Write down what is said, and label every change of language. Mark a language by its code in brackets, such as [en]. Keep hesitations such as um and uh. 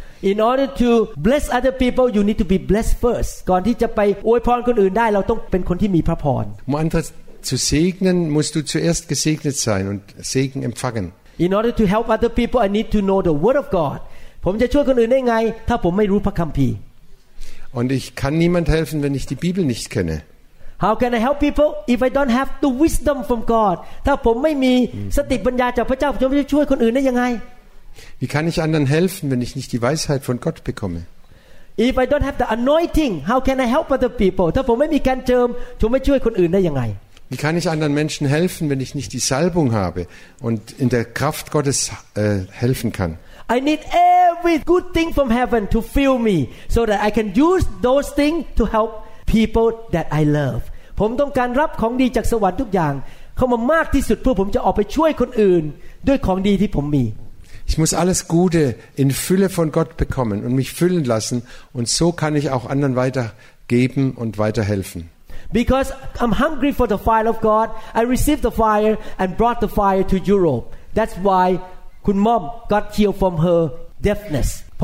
[en] In order to bless other people, you need to be blessed first. [th] ก่อนที่จะไปอวยพรคนอื่นได้เราต้องเป็นคนที่มีพระพร [de] Um andere zu segnen, musst du zuerst gesegnet sein und Segen empfangen. [en] In order to help other people, I need to know the Word of God. [th] ผมจะช่วยคนอื่นได้ไงถ้าผมไม่รู้พระคัมภีร์ [de] Und ich kann niemand helfen, wenn ich die Bibel nicht kenne. [en] How can I help people if I don't have the wisdom from God? [th] ถ้าผมไม่มีสติปัญญาจากพระเจ้าผมจะช่วยคนอื่นได้ยังไง [de] Wie kann ich anderen helfen, wenn ich nicht die Weisheit von Gott bekomme? [en] If I don't have the anointing, how can I help other people? [th] ถ้าผมไม่มีการเจิมผมไม่ช่วยคนอื่นได้ยังไง [de] Wie kann ich anderen Menschen helfen, wenn ich nicht die Salbung habe und in der Kraft Gottes äh, helfen kann? [en] I need every good thing from heaven to fill me so that I can use those things to help people that I love [th] ผมต้องการรับของดีจากสวรรค์ทุกอย่างเข้ามามากที่สุดเพื่อผมจะออกไปช่วยคนอื่นด้วยของดีที่ผมมี [de] Ich muss alles Gute in Fülle von Gott bekommen und mich füllen lassen und so kann ich auch anderen weitergeben [en] Because I'm hungry for the fire of God, I received the fire and brought the fire to Europe. That's why Kun Mom got healed from her Deftness.